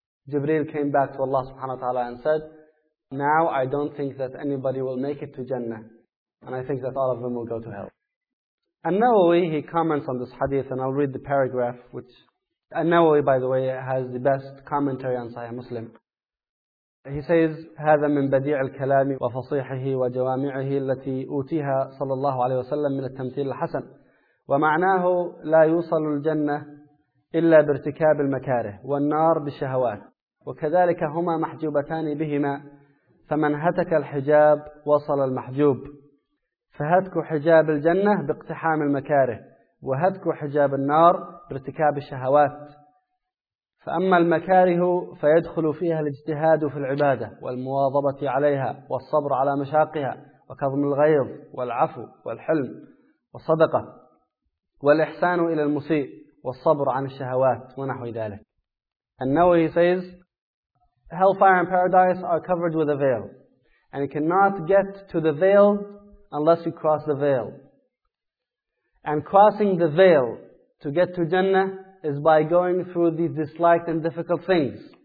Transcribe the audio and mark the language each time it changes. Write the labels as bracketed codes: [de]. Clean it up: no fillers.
[en] Jibreel came back to Allah subhanahu wa ta'ala and said, now I don't think that anybody will make it to Jannah. And I think that all of them will go to hell. An-Nawawi, he comments on this hadith, and I'll read the paragraph, which An-Nawawi, by the way, has the best commentary on Sahih Muslim. He says, [ar] هذا من بديع الكلام وفصيحه وجوامعه التي أوتيها صلى الله عليه وسلم من التمثيل الحسن ومعناه لا يوصل الجنة إلا بارتكاب المكاره والنار بالشهوات وكذلك هما محجوبتان بهما فمن هتك الحجاب وصل المحجوب فهتك حجاب الجنة باقتحام المكاره وهتك حجاب النار بارتكاب الشهوات فأما المكاره فيدخل فيها الاجتهاد في العبادة والمواظبة عليها والصبر على مشاقها وكظم الغيظ والعفو والحلم والصدقة والإحسان إلى المسيء والصبر عن الشهوات ونحو ذلك. [en] النووي says, hellfire and paradise are covered with a veil, and you cannot get to the veil unless you cross the veil. And crossing the veil to get to Jannah is by going through these disliked and difficult things.